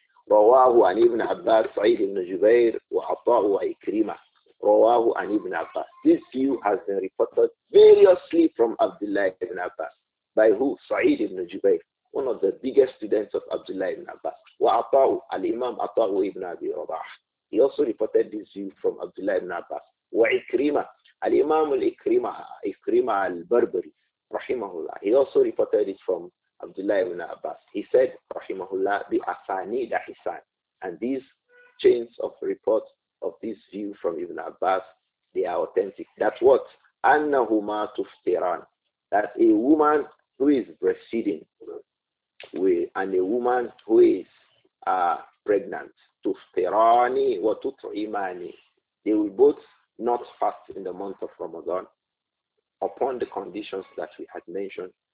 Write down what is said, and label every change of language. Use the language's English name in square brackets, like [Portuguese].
[Arabic] رواه عن ابن عباس سعيد بن جبير وعطاء وإكرمة رواه عن ابن عباس. [English] This view has been reported variously from Abdullah ibn Abbas. By who? [Arabic] سعيد بن جبير, [English] one of the biggest students of Abdullah ibn Abbas. [Arabic] وعطاء, الإمام عطاء ابن أبي رباح. [English] He also reported this view from Abdullah ibn Abbas. [Arabic] وإكرمة, الإمام الإكرمة, إكرمة البربري, رحمه الله. [English] He also reported it from Abdullah ibn Abbas. He said, Rahimahullah, [Arabic] bi asani da hisan. [English] And these chains of reports of this view from Ibn Abbas, they are authentic. That's what? [Arabic] Annahuma tuftiran. [English] That a woman who is breastfeeding and a woman who is pregnant, [Arabic] tuftirani wa tut'imani, [English] they will both not fast in the month of Ramadan upon the conditions that we had mentioned.